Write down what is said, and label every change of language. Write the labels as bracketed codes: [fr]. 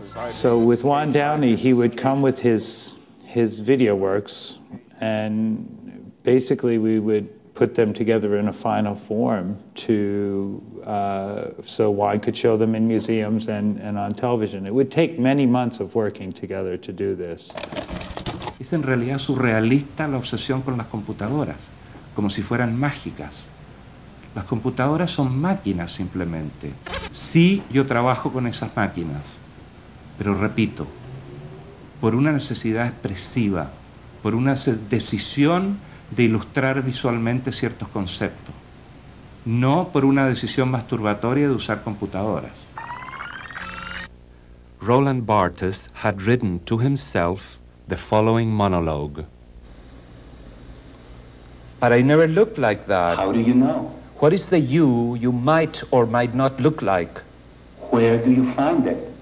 [en] So with Juan Downey, he would come with his video works, and basically we would put them together in a final form so Juan could show them in museums and on television. It would take many months of working together to do this. [es] Es en realidad surrealista la obsesión con las computadoras, como si fueran mágicas. Las computadoras son máquinas simplemente. Sí, yo trabajo con esas máquinas, pero repito, por una necesidad expresiva, por una decisión de ilustrar visualmente ciertos conceptos, no por una decisión masturbatoria de usar computadoras. [en] Roland Barthes had written to himself the following monologue. But I never looked like that. How do you know? What is the you might or might not look like? Where do you find it?